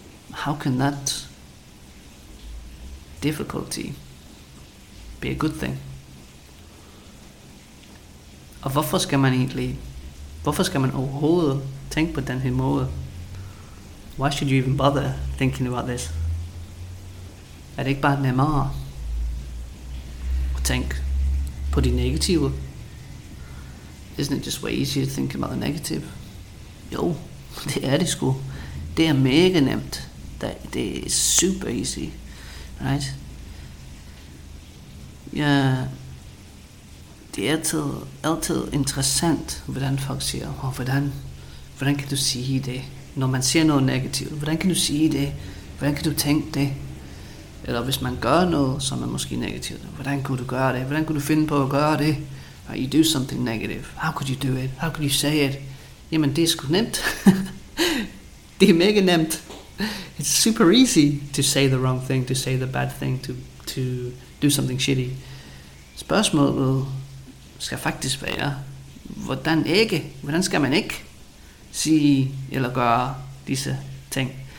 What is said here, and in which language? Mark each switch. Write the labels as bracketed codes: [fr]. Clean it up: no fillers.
[en] How can that difficulty be a good thing? [da] Og hvorfor skal man egentlig, hvorfor skal man overhovedet tænk på den her måde. [en] Why should you even bother thinking about this? [da] Er det ikke bare nemmere at tænke på de negative? [en] Isn't it just way easier to think about the negative? [da] Jo, det er det sgu. Det er mega nemt. Det er [en] super easy. Right? [da] Ja, Det er altid interessant, hvordan folk siger, og hvordan kan du sige det, når man siger noget negativt? Hvordan kan du sige det? Hvordan kan du tænke det? Eller hvis man gør noget, som er måske negativt, hvordan kunne du gøre det? Hvordan kunne du finde på at gøre det? [en] Or you do something negative. How could you do it? How could you say it? [da] Jamen, det er sgu nemt. Det er mega nemt. [en] It's super easy to say the wrong thing, to say the bad thing, to do something shitty. [da] Spørgsmålet skal faktisk være, hvordan ikke? Hvordan skal man ikke sige eller gøre disse ting?